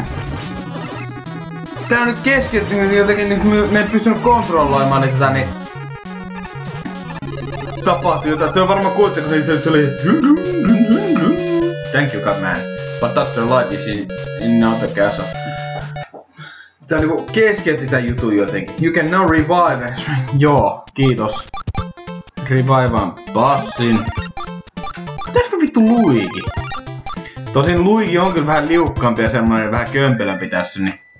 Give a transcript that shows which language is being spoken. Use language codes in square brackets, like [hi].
[fi] Mitä? Tää nyt keskittyy, niin jotenkin niin me ei pystynyt kontrolloimaan niin sitä, niin... Tapahtui jotain. Tää on varmaan kuitenkin, kun se oli... [en] Thank you, Catman. But that's the life is in another castle. [fi] Tää niinku keskitti tän jutun jotenkin. [en] You can now revive. [fi] Joo, kiitos. Revivean bassin. Pitäisikö vittu Luigi? Tosin Luigi on kyllä vähän liukkaampi ja semmoinen vähän kömpelämpi tässä, niin...